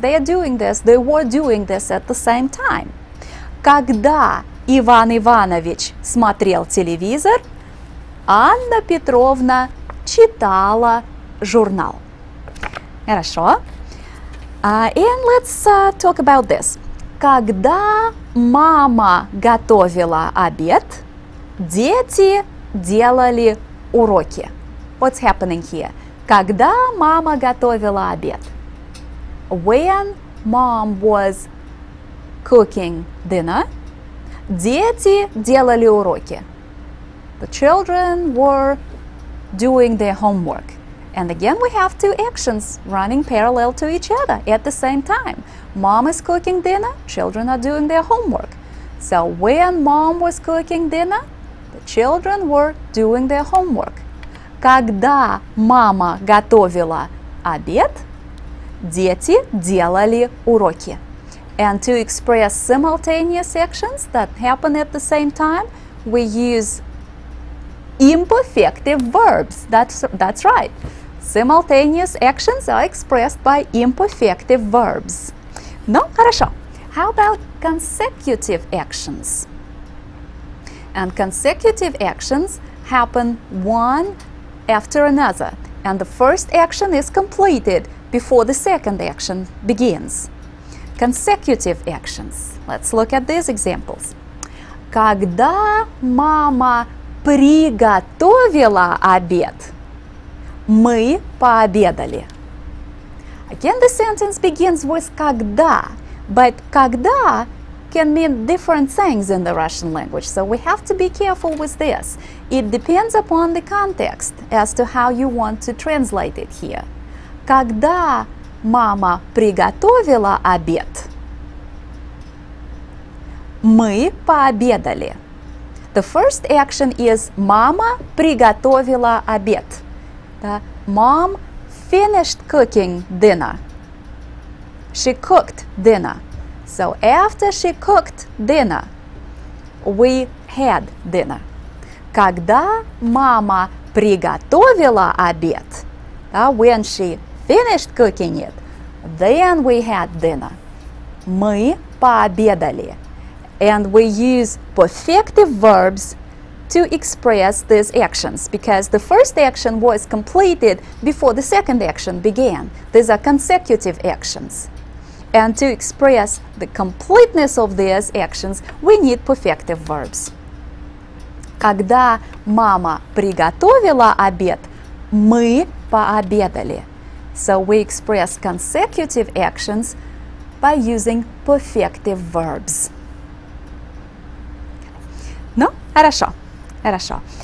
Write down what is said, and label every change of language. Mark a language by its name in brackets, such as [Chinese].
[English] They were doing this at the same time. [Russian] Когда Иван Иванович смотрел телевизор, Анна Петровна читала журнал. Хорошо. [English] And let's talk about this. [Russian] Когда мама готовила обед, дети делали уроки. [English] What's happening here? [Russian] Когда мама готовила обед? [English] When mom was cooking dinner, [Russian] дети делали уроки. [English] The children were doing their homework. And again, we have two actions running parallel to each other at the same time. Mom is cooking dinner, children are doing their homework. So when mom was cooking dinner, the children were doing their homework. [Russian] Когда мама готовила обед, дети делали уроки. [English] And to express simultaneous actions that happen at the same time, we use imperfective verbs. That's right. Simultaneous actions are expressed by imperfective verbs. [Russian] Ну, хорошо. [English] How about consecutive actions? And consecutive actions happen one after another. And the first action is completed before the second action begins. Consecutive actions. Let's look at these examples. [Russian] Когда мама приготовила обед, мы пообедали. [English] Again, the sentence begins with когда, but когда can mean different things in the Russian language, so we have to be careful with this. It depends upon the context as to how you want to translate it here. [Russian] Когда мама приготовила обед, мы пообедали. [English] The first action is [Russian] мама приготовила обед. [English] Mom finished cooking dinner. She cooked dinner. So after she cooked dinner, we had dinner. [Russian] Когда мама приготовила обед, [English] when she finished cooking it, then we had dinner. [Russian] Мы пообедали. [English] And we use perfective verbs to express these actions because the first action was completed before the second action began. These are consecutive actions. And to express the completeness of these actions, we need perfective verbs. [Russian] Когда мама приготовила обед, мы пообедали. [English] So we express consecutive actions by using perfective verbs. [Russian] Ну, хорошо, хорошо.